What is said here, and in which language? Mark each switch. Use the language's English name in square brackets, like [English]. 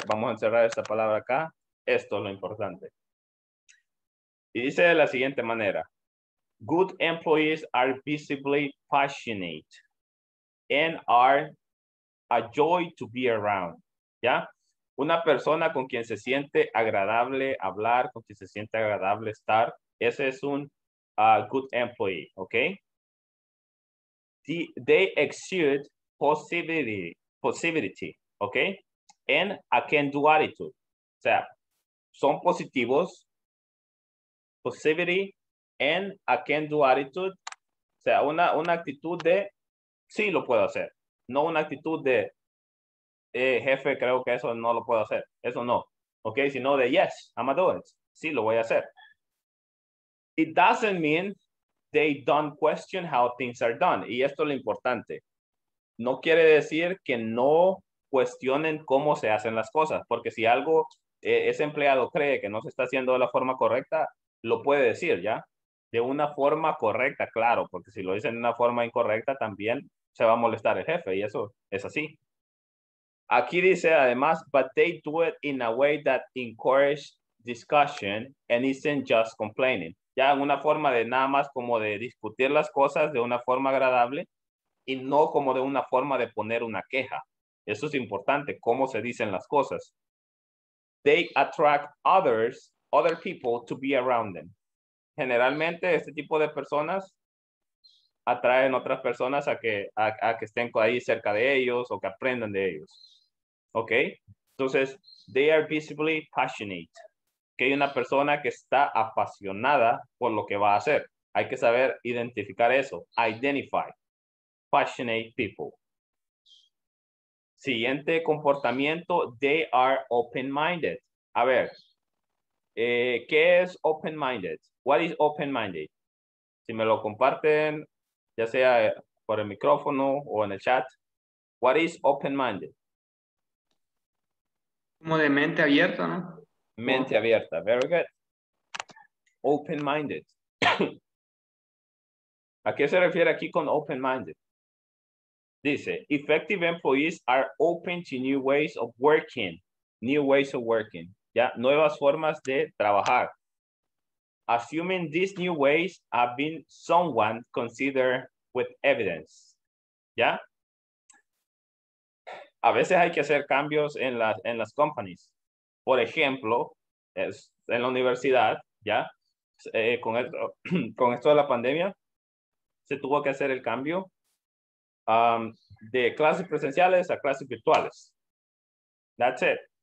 [Spanish] Vamos a encerrar esta palabra acá. Esto es lo importante. Y dice de la siguiente manera. [English] Good employees are visibly passionate and are a joy to be around. [Spanish] ¿Ya? Una persona con quien se siente agradable hablar, con quien se siente agradable estar, ese es un good employee, ¿ok? [English] They exude positivity, ¿ok? And a can-do attitude. [Spanish] O sea, son positivos, positivity, [English] and a can-do attitude, [Spanish] o sea, una actitud de, sí, lo puedo hacer. No una actitud de, jefe, creo que eso no lo puedo hacer. Eso no. Ok, sino de, [English] yes, I'm a do it. [Spanish] Sí, lo voy a hacer. [English] It doesn't mean they don't question how things are done. [Spanish] Y esto es lo importante. No quiere decir que no cuestionen cómo se hacen las cosas. Porque si algo, ese empleado cree que no se está haciendo de la forma correcta, lo puede decir, ¿ya? De una forma correcta, claro, porque si lo dicen de una forma incorrecta, también se va a molestar el jefe, y eso es así. Aquí dice, además, [English] but they do it in a way that encourages discussion and isn't just complaining. [Spanish] Ya en una forma de nada más como de discutir las cosas de una forma agradable y no como de una forma de poner una queja. Eso es importante, cómo se dicen las cosas. [English] They attract other people to be around them. [Spanish] Generalmente este tipo de personas atraen otras personas a que estén ahí cerca de ellos o que aprendan de ellos. ¿Ok? Entonces, [English] they are visibly passionate. [Spanish] Que hay una persona que está apasionada por lo que va a hacer. Hay que saber identificar eso. Identify. [English] Passionate people. [Spanish] Siguiente comportamiento. [English] They are open-minded. [Spanish] A ver. ¿Qué es open-minded? [English] What is open-minded? [Spanish] Si me lo comparten, ya sea por el micrófono o en el chat. [English] What is open-minded? [Spanish] Como de mente abierta, ¿no? Mente abierta. Very good. Open-minded. ¿A qué se refiere aquí con open-minded? [English] Dice, effective employees are open to new ways of working. New ways of working. [Spanish] Ya, nuevas formas de trabajar. [English] Assuming these new ways have been someone considered with evidence. [Spanish] ¿Ya? A veces hay que hacer cambios en las companies. Por ejemplo, en la universidad, ¿ya? Con esto de la pandemia, se tuvo que hacer el cambio de clases presenciales a clases virtuales. [English] That's it.